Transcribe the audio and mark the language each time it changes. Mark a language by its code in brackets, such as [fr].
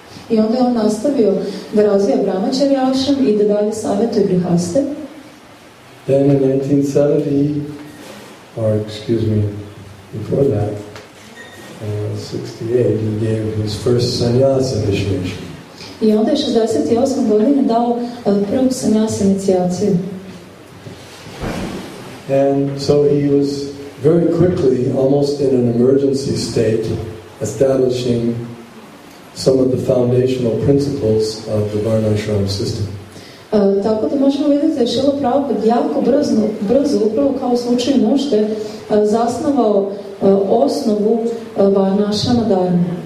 [sr] I onda je on nastavio da razvija Brahmacharya ashram i da dalje savjetuje grihaste. [en] Then in 1970, or excuse me, before that, 68, he gave his first sannyasa initiation. [sr] I onda je 68. godine dao prvu sannyasa inicijaciju. [en] And so he was very quickly, almost in an emergency state, establishing some of the foundational principles of the Varnashram system. [sr] Tako da možemo vidjeti da je Šila Prabhupada jako brzo, upravo kao u slučaju nužde, zasnovao osnovu Varnashrama Dharma.